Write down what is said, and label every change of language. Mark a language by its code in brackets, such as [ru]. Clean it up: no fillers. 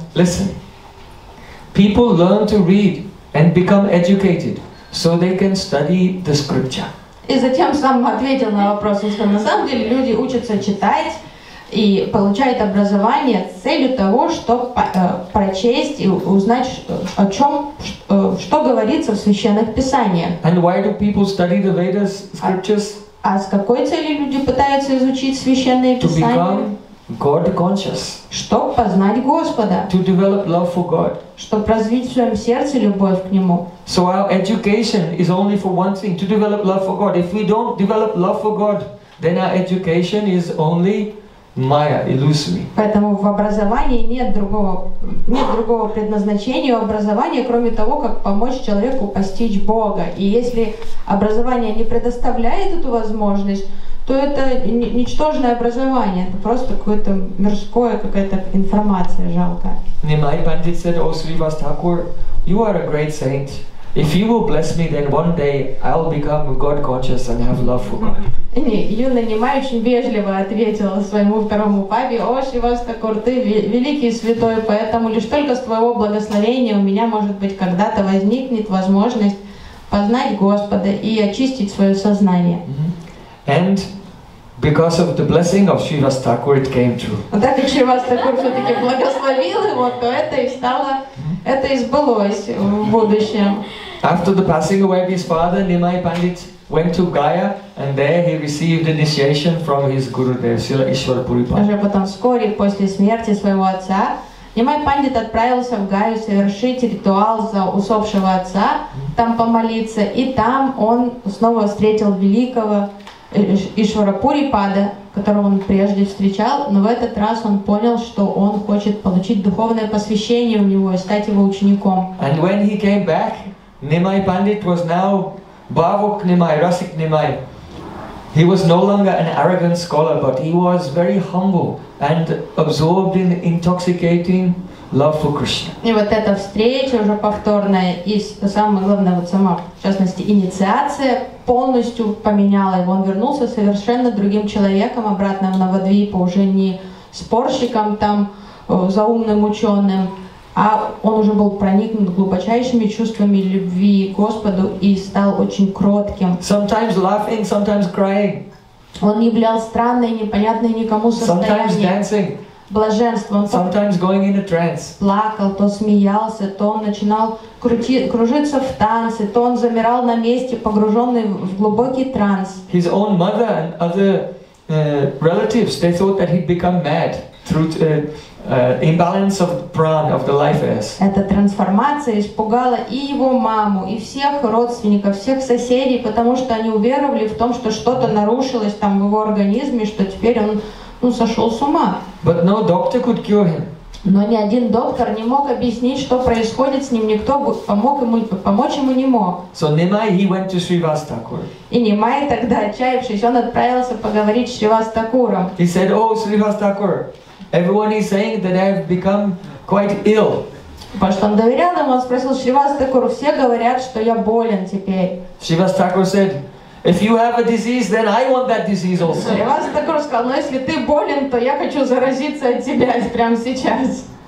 [en] Listen, people learn to read and become educated so they can study the scripture. [ru] И затем сам ответил на вопрос, что на самом деле люди учатся читать и получают образование с целью того, чтобы прочесть и узнать, о чем, что говорится в священных писаниях. [en] And why do people study the Vedas, scriptures? [ru] А с какой целью люди пытаются изучить священные писания? [en] God conscious. [ru] Чтобы познать Господа. [en] To develop love for God. [ru] Чтобы развить в своем сердце любовь к Нему. [en] So our education is only for one thing, to develop love for God. If we don't develop love for God, then our education is only maya, illusory. [ru] Поэтому в образовании нет другого предназначения образования, кроме того, как помочь человеку постичь Бога. И если образование не предоставляет эту возможность, то это ничтожное образование, это просто какое-то мирское, какая-то информация жалкая. [en] Nimai Pandit said, O Srivas Thakur, you are a great saint. If you will bless me, then one day I'll become God-conscious and have love for God. [ru] Юный Нимай очень вежливо ответил своему второму папе, О, Шривас Такур, ты великий святой, поэтому лишь только с твоего благословения у меня, может быть, когда-то возникнет возможность познать Господа и очистить свое сознание. [en] And because of the blessing of Shrivas Thakur, it came true. [ru] Так как Шривас Такур все-таки благословил его, то это и стало, это и сбылось в будущем. [en] After the passing away of his father, Nimai Pandit went to Gaya, and there he received initiation from his guru there, Srila Ishwara Puripada. [ru] Уже потом, вскоре после смерти своего отца, Нимай Пандит отправился в Гаю совершить ритуал за усопшего отца, там помолиться, и там он снова встретил великого Ишвара Пурипада, которого он прежде встречал, но в этот раз он понял, что он хочет получить духовное посвящение у него и стать его учеником. [en] And when he came back, Nimai Pandit was now Bhavuk Nimai, Rasik Nimai. He was no longer an arrogant scholar, but he was very humble and absorbed in intoxicating love for Krishna. [ru] И вот эта встреча уже повторная, и самое главное, вот сама, в частности, инициация полностью поменяла его. Он вернулся совершенно другим человеком обратно в Навадвипу, уже не спорщиком там, заумным ученым, а он уже был проникнут глубочайшими чувствами любви к Господу и стал очень кротким. [en] Sometimes laughing, sometimes crying. [ru] Он являл странное, непонятное никому состояние. [en] Sometimes dancing. [ru] Блаженство. Он [en] sometimes going in a trance. [ru] Плакал, то смеялся, то он начинал кружиться в танце, то он замирал на месте, погруженный в глубокий транс. [en] His own mother and other relatives, they thought that he'd become mad through imbalance of prana, of the life force. [ru] Эта трансформация испугала и его маму, и всех родственников, всех соседей, потому что они уверовали в том, что что-то нарушилось там в его организме, что теперь он сошел с ума. [en] But no doctor could cure him. [ru] Но ни один доктор не мог объяснить, что происходит с ним, никто помочь ему не мог. [en] So Nimai, he went to Shrivas Thakur. [ru] И Nimai тогда, отчаявшись, он отправился поговорить с Шривас Такуром. [en] He said, oh, Shrivas Thakur, everyone is saying that I've become quite ill. [ru] Потому что он доверял ему, он спросил, Шривас Такур, все говорят, что я болен теперь. [en] Shrivas Thakur said, if you have a disease, then I want that disease also. [ru] Шривас Такур сказал, но если ты болен, то я хочу заразиться от тебя прямо сейчас.